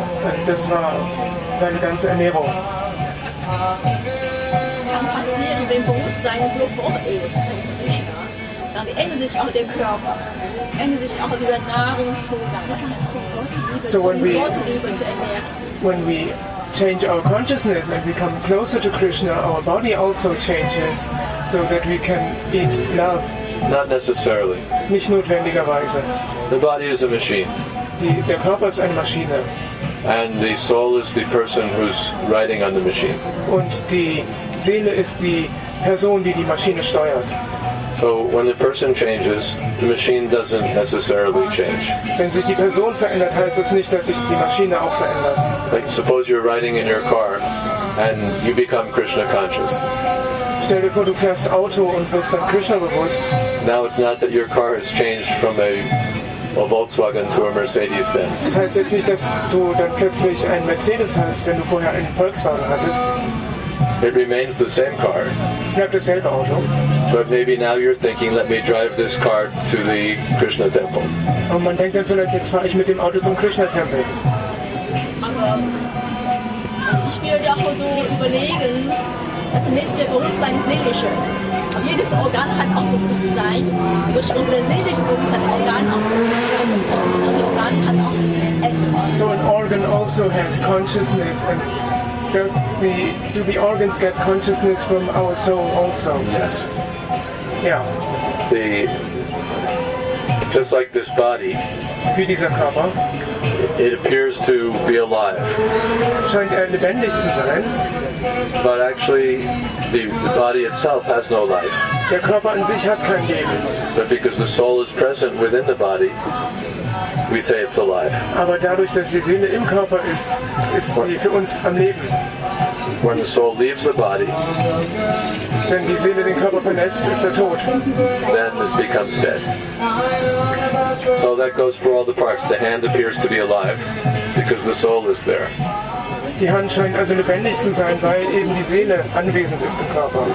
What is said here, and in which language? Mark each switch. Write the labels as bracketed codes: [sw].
[de] Also das war seine ganze Ernährung. Kann passieren, wenn Bewusstsein so hoch ist, dann ändert sich auch der Körper, ändert sich auch wieder Nahrungszugang, von Gott Liebe zu ernähren. [en] Change our consciousness and become closer to Krishna, our body also changes so that we can eat love. Not necessarily. [de] Nicht notwendigerweise. [en] The body is a machine. [de] Der Körper ist eine Maschine. [en] And the soul is the person who's riding on the machine. [de] Und die Seele ist die Person, die Maschine steuert. [en] So when the person changes, the machine doesn't necessarily change. [de] Wenn sich die Person verändert, heißt es nicht, dass sich die Maschine auch verändert. [en] Like suppose you're riding in your car and you become Krishna conscious. [de] Stell dir vor, du fährst Auto und wirst dann Krishna bewusst. [en] Now it's not that your car has changed from a Volkswagen to a Mercedes-Benz. [de] Das heißt jetzt nicht, dass du dann plötzlich ein Mercedes hast, wenn du vorher einen Volkswagen hattest. [en] It remains the same car. [de] Es bleibt dasselbe Auto. [en] But maybe now you're thinking, let me drive this car to the Krishna temple. [de] Und man denkt dann vielleicht, jetzt fahre ich mit dem Auto zum Krishna Tempel. Aber ich würde auch so überlegen, dass nicht der Bewusstsein seelisch ist. Jedes Organ hat auch Bewusstsein. Durch unsere seelische Bewusstsein hat Organ auch Bewusstsein. [en] So an organ also has consciousness in it. Do the organs get consciousness from our soul also? Yes. Yeah. Just like this body. [de] Wie dieser Körper. [en] It appears to be alive. [de] Scheint lebendig zu sein. [en] But actually, the body itself has no life. [de] Der Körper an sich hat kein Leben. [en] But because the soul is present within the body, we say it's alive. [de] Aber dadurch, dass die Seele im Körper ist, ist sie für uns am Leben. [en] When the soul leaves the body, [de] wenn die Seele den Körper verlässt, ist tot. [en] Then it becomes dead. So that goes for all the parts. The hand appears to be alive because the soul is there. [de] Die Hand scheint also lebendig zu sein, weil eben die Seele anwesend ist im Körper.